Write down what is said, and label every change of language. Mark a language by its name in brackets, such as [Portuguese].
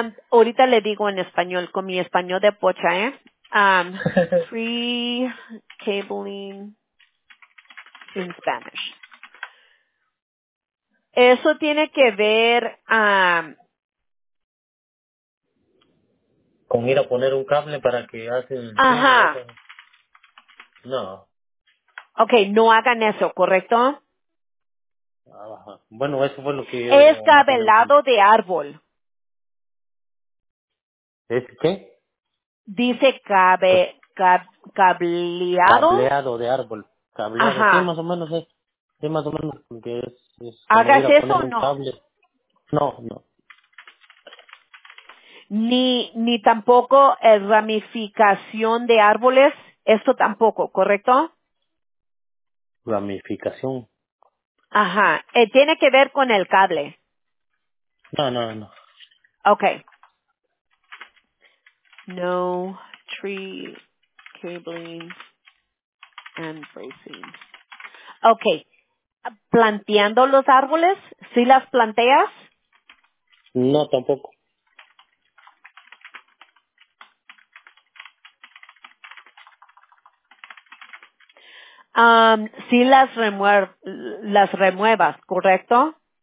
[Spanish] ahorita le digo en español, con mi español de pocha, ¿eh? [English] Tree cabling in Spanish. [Spanish] Eso tiene que ver con ir a poner un cable para que hacen... Ajá. No. Okay, no hagan eso, ¿correcto? Ajá. Bueno, eso fue lo que... Es cablado de árbol. ¿Es qué? Dice cableado. Cableado de árbol. Cableado. Ajá. Sí, más o menos es. Sí, más o menos. Porque es ¿hagas eso o no? Cable. No, no. Ni tampoco ramificación de árboles. Esto tampoco, ¿correcto? Ramificación. Ajá. Tiene que ver con el cable. No, no, no. Okay. [English] No tree cabling and bracing. Okay. [Spanish] ¿Planteando los árboles? ¿Sí las planteas? No, tampoco. Sí las remuevas, ¿correcto?